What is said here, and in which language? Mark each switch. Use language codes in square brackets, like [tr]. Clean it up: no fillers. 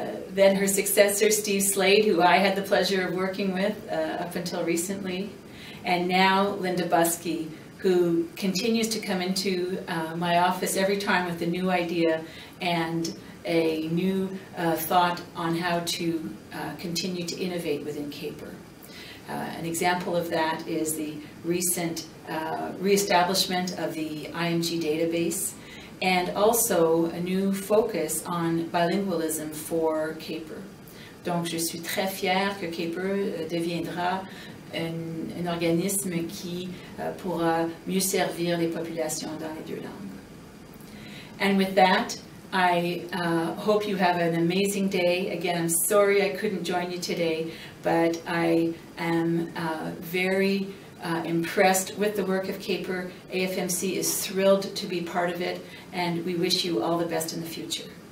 [en] Then her successor, Steve Slade, who I had the pleasure of working with up until recently, and now Linda Buskey, who continues to come into my office every time with a new idea and a new thought on how to continue to innovate within CAPR. An example of that is the recent reestablishment of the IMG database, and also a new focus on bilingualism for CAPR. [fr] Donc, je suis très fière que CAPR deviendra un organisme qui pourra mieux servir les populations dans les deux langues. [en] And with that, I hope you have an amazing day. Again, I'm sorry I couldn't join you today, but I am very impressed with the work of CAPR. AFMC is thrilled to be part of it, and we wish you all the best in the future.